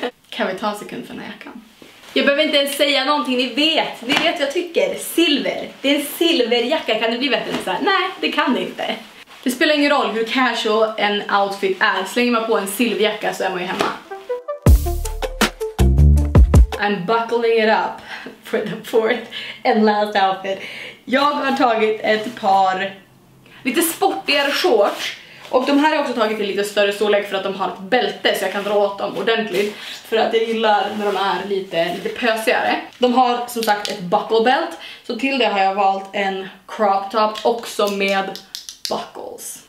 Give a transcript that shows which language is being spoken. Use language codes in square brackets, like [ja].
[sv] Kan vi ta en sekund för den här jackan? Jag behöver inte ens säga någonting, ni vet vad jag tycker. Silver. Det är en silverjacka, kan det bli bättre än så här? Nej, det kan det inte. Det spelar ingen roll hur casual en outfit är. Slänger man på en silverjacka så är man ju hemma. [en] I'm buckling it up for the fourth and last outfit. [sv] Jag har tagit ett par lite sportigare shorts. Och de här har jag också tagit i lite större storlek för att de har ett bälte så jag kan dra åt dem ordentligt. För att jag gillar när de är lite pösigare. De har som sagt ett buckle belt. Så till det har jag valt en crop top också med buckles.